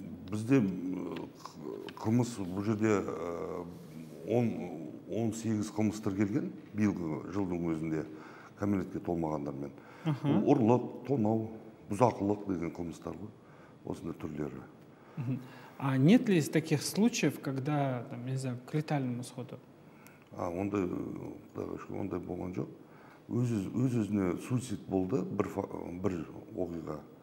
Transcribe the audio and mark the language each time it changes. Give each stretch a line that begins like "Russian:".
Kazakh: Бізде қылмыс бұл жерде 18 қылмыс тіркелген биылғы жылдың өзінде кәмелетке толмағандармен. Ұрлық, тонау, бұзақылық деген қылмыстар ғой, осындай түрлері.
Russian: А нет ли из таких случаев, когда, там, не знаю, к летальному исходу?
Kazakh: А ондай, ондай болған жоқ. Өз-өзіне суицид болды бір оқиға.